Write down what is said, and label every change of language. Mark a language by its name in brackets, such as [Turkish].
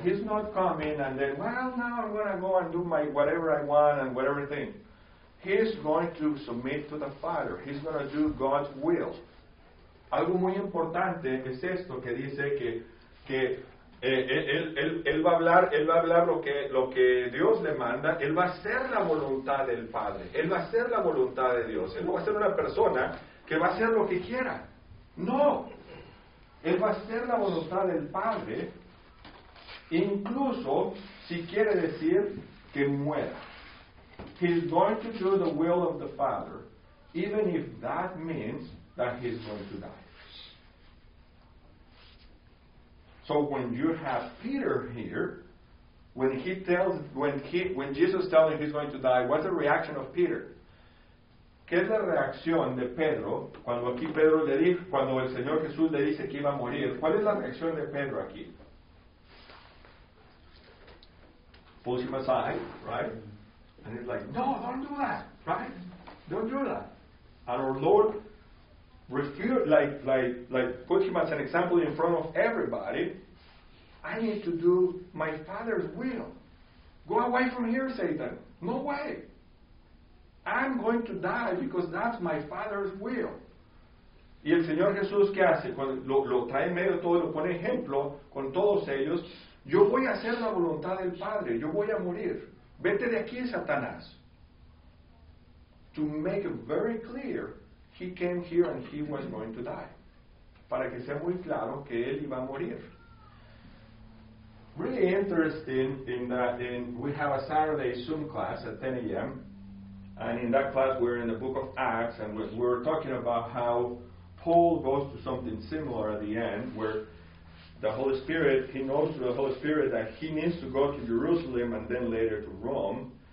[English] He's not coming and then, well, now I'm going to go and do my whatever I want and whatever thing. He's going to submit to the Father. He's going to do God's will. [Spanish] Algo muy importante es esto que dice que él va a hablar lo que Dios le manda. Él va a hacer la voluntad del Padre. Él va a hacer la voluntad de Dios. Él no va a ser una persona que va a hacer lo que quiera. No. Él va a hacer la voluntad del Padre, incluso si quiere decir que muera. [English] He's going to do the will of the Father, even if that means that he's going to die. So when you have Peter here, when Jesus tells him he's going to die, what's the reaction of Peter? [Spanish] ¿Qué es la reacción de Pedro cuando aquí Pedro le dice, cuando el Señor Jesús le dice que iba a morir? ¿Cuál es la reacción de Pedro aquí? [English] Pulls him aside, right? And he's like, no, don't do that, right? Don't do that. And our Lord refused, like put him as an example in front of everybody. I need to do my Father's will. Go away from here, Satan. No way. I'm going to die because that's my Father's will. [Spanish] Y el Señor Jesús, ¿qué hace? Lo trae en medio de todo, lo pone ejemplo con todos ellos. Yo voy a hacer la voluntad del Padre. Yo voy a morir. Vete de aquí, Satanás. [English] To make it very clear, he came here and he was going to die. [Spanish] Para que sea muy claro que él iba a morir. [English] Really interesting in that we have a Saturday Zoom class at 10 a.m., and in that class, we're in the book of Acts, and we're talking about how Paul goes to something similar at the end, where the Holy Spirit, he knows through the Holy Spirit that he needs to go to Jerusalem and then later to Rome.